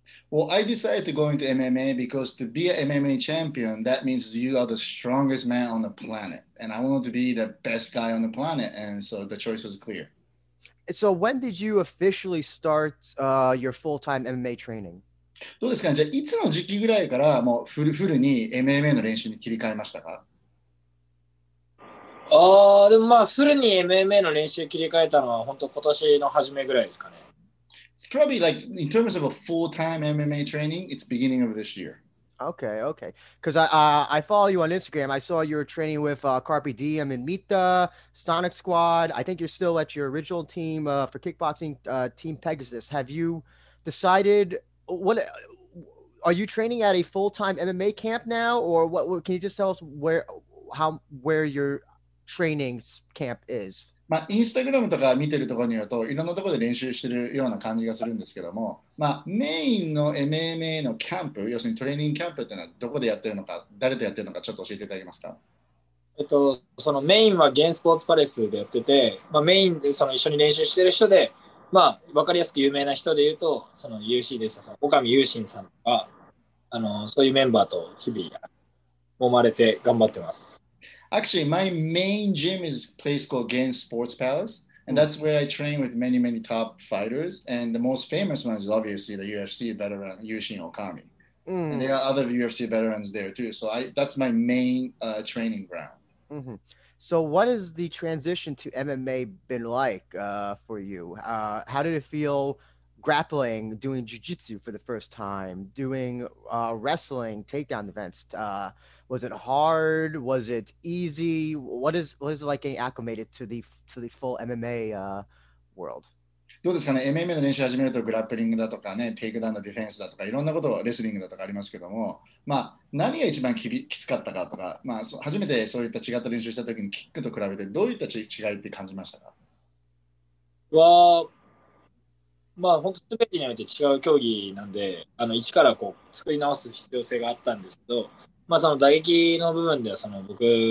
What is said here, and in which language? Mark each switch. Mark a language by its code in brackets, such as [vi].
[en] Well, I decided to go into MMA because to be an MMA champion, that means you are the strongest man on the planet. And I wanted to be the best guy on the planet. And so the choice was clear. So when did you officially start your full-time MMA training? [ja] どうですかね? じゃあいつの時期ぐらいからもうフルフルに MMA の練習に切り替えましたか? でもまあフルに MMA の練習切り替えたのは本当今年の初めぐらいですかね。 [en] It's probably like, in terms of a full-time MMA training, it's beginning of this year. Okay, okay. Because I follow you on Instagram. I saw you were training with Carpe Diem and Mita, Sonic Squad. I think you're still at your original team for kickboxing, Team Pegasus. Have you decided, what are you training at a full-time MMA camp now? Or what can you just tell us where your training camp is? [ja] まあ、インスタグラムとか見てるところによると、いろんなところで練習してるような感じがするんですけども、まあ、メインの MMA のキャンプ、要するにトレーニングキャンプっていうのはどこでやってるのか、誰とやってるのか、ちょっと教えていただけますか。そのメインはゲンスポーツパレスでやってて、まあ、メインでその一緒に練習してる人で、まあ、わかりやすく有名な人で言うと、その UC です、その岡見優心さんとか、そういうメンバーと日々揉まれて頑張ってます。 [en] Actually, my main gym is a place called Gain Sports Palace, and that's where I train with many, many top fighters. And the most famous one is obviously the UFC veteran, Yushin Okami. And there are other UFC veterans there too. So that's my main training ground. Mm-hmm. So what has the transition to MMA been like for you? How did it feel grappling, doing jiu-jitsu for the first time, doing wrestling, takedown events? Was it hard? Was it easy? What is it like getting acclimated to the full MMA world? [ja] どうですかね? MMA の練習始めるとグラップリングだとかね、テイクダウンのディフェンスだとか、いろんなことをレスリングだとかありますけども、まあ、何が一番きつかったかとか、まあ、初めてそういった違った練習した時にキックと比べてどういった違いって感じましたか? Well,まあ、本当全てにおいて違う競技なんで、一からこう作り直す必要性があったんですけど、まあ、その打撃の部分ではその僕